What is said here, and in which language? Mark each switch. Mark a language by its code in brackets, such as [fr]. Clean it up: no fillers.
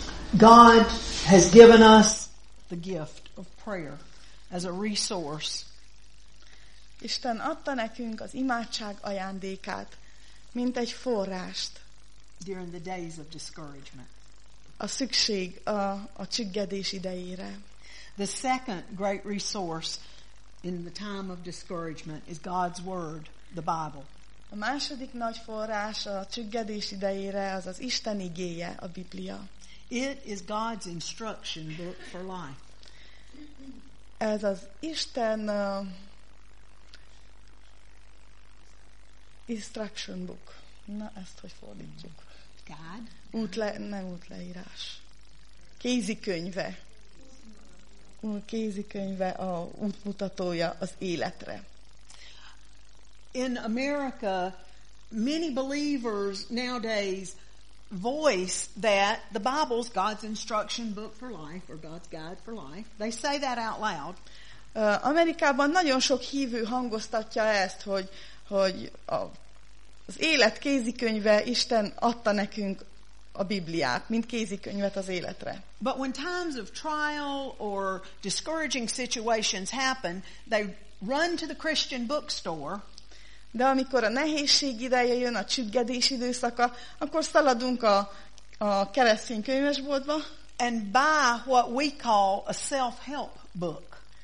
[en] God has given us the gift of prayer as a resource. [hu] Isten adta nekünk az imádság ajándékát, mint egy forrást. [en] During the days of discouragement. [hu] A szükség a csüggedés idejére. [en] The second great resource in the time of discouragement is God's word, the Bible. [hu] A második nagy forrás a csüggedés idejére az az Isten igéje, a Biblia. [en] It is God's instruction book for life. [hu] Ez az Isten [en] instruction book. [hu] Na, ezt hogy fordítjuk? [en] God? [hu] Útleírás. Kézikönyve. Kézikönyve a útmutatója az életre. [en] In America, many believers nowadays voice that the Bible's God's instruction book for life, or God's guide for life. They say that out loud. [hu] Amerikában nagyon sok hívő hangoztatja ezt, hogy az élet kézikönyve, Isten adta nekünk a Bibliát, mint kézikönyvet az életre. [en] But when times of trial or discouraging situations happen, they run to the Christian bookstore. [hu] De amikor a nehézség ideje jön, a csüggedés időszaka, akkor szaladunk a keresztény könyvesboltba, [en] and buy what we call a self-help book.